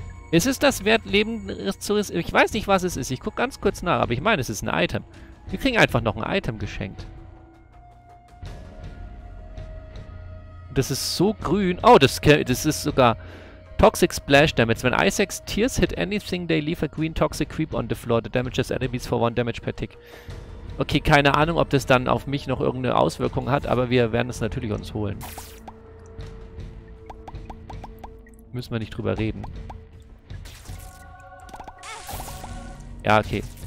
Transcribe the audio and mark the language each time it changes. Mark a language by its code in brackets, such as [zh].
[de] Ist es das wert, Leben zu riskieren? Ich weiß nicht, was es ist. Ich gucke ganz kurz nach, aber ich meine, es ist ein Item. Wir kriegen einfach noch ein Item geschenkt. Das ist so grün. Oh, das ist sogar Toxic Splash Damage. [en] When Isaac Tears hit anything, they leave a green toxic creep on the floor. The damage is enemies for one damage per tick. [de] Okay, keine Ahnung, ob das dann auf mich noch irgendeine Auswirkung hat, aber wir werden es natürlich uns holen. Müssen wir nicht drüber reden. Ja, okay.